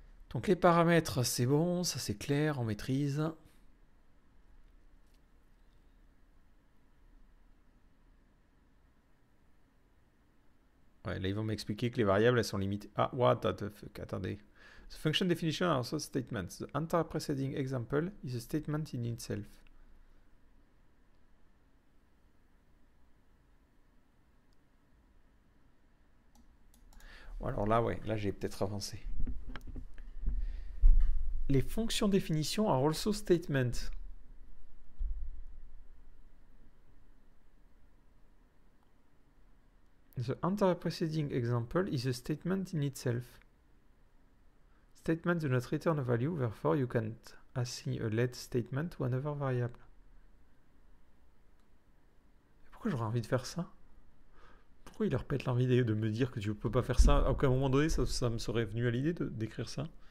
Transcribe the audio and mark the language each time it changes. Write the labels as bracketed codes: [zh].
[fr] Donc les paramètres, c'est bon, ça c'est clair, on maîtrise. Ouais, là ils vont m'expliquer que les variables elles sont limitées. [en] Ah, what the fuck, attendez. The function definition are also statements. The entire preceding example is a statement in itself. [fr] Alors là, ouais, là j'ai peut-être avancé. Les fonctions définition [en] are also statement. The entire preceding example is a statement in itself. Statement do not return a value, therefore you can't assign a let statement to another variable. [fr] Pourquoi j'aurais envie de faire ça? Pourquoi il leur pète l'envie de me dire que tu peux pas faire ça? À aucun moment donné, ça me serait venu à l'idée de d'écrire ça.